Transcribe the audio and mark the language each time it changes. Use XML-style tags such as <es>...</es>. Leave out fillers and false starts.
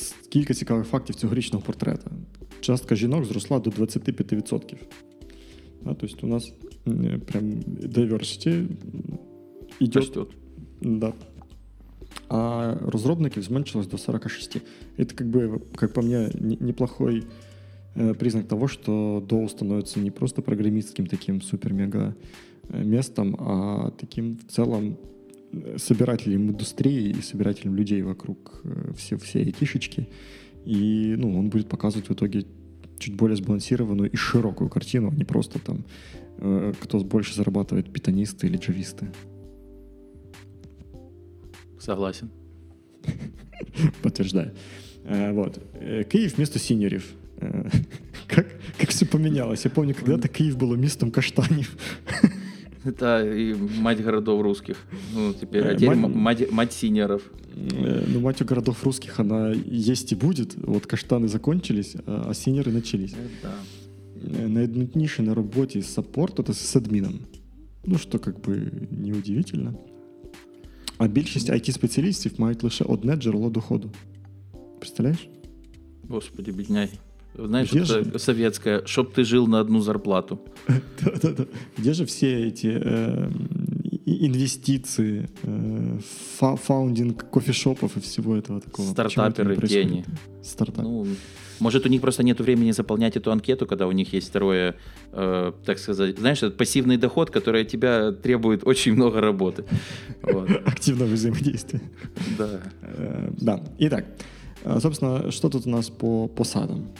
<uk>Кілька цікавих фактів цьогорічного портрета. Частка жінок зросла до 25%.</uk> <ru>Да, то есть у нас прям diversity йде. Да.</ru> <uk>А розробників зменшилось до 46%.</uk> <ru>Это, как бы, как по мне, неплохой признак того, что Dow становится не просто программистским таким супер-мега местом, а таким в целом собирателем индустрии и собирателем людей вокруг все айтишечки. И, ну, он будет показывать в итоге чуть более сбалансированную и широкую картину, а не просто там кто больше зарабатывает, питонисты или джависты. Согласен. Подтверждаю. Вот. Киев вместо синьорев. Как все поменялось? Я помню, когда-то Киев было местом каштанев. Это и мать городов русских. Ну, теперь мать синьоров. Ну, мать городов русских, она есть и будет. Вот каштаны закончились, а синьоры начались. Да.</ru> <uk>найдутніше на роботі з саппорту та з адміном. Ну, що, як би,</uk> <ru>не удивительно.</ru> <uk>А більшість IT-спеціалістів мають лише одне джерело доходу. Представляєш? Господи, бідняй. Знаєш, це совєтське, щоб ти жив на одну зарплату. Да-да-да. Где же всі ці інвестиції, фаундинг кофешопів і всього цього такого? Стартапери, гені. Стартапери.</uk> <ru>Ну, может, у них просто нет времени заполнять эту анкету, когда у них есть второе, так сказать, знаешь, это пассивный доход, который от тебя требует очень много работы. Вот. Активного взаимодействия. Да. Да. Итак, собственно, что тут у нас по посадам?</ru>